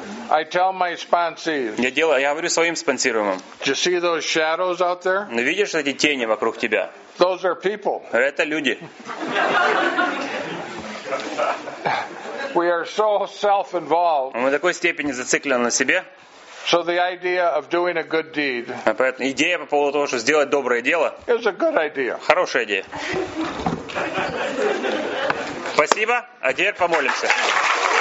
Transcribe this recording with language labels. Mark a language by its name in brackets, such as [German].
[English] I tell my sponsors. [Russian] Я говорю своим спонсируемым. [English] Do you see those shadows out there? [Russian] Ну видишь эти тени вокруг тебя? [English] Those are people. [Russian] Это люди. [English] We are so self-involved. [Russian] Мы в такой степени зациклены на себе. [English] So the idea of doing a good deed. [Russian] Поэтому идея по поводу того, что сделать доброе дело. [English] It's a good idea. [Russian] Хорошая идея. Спасибо. А теперь помолимся.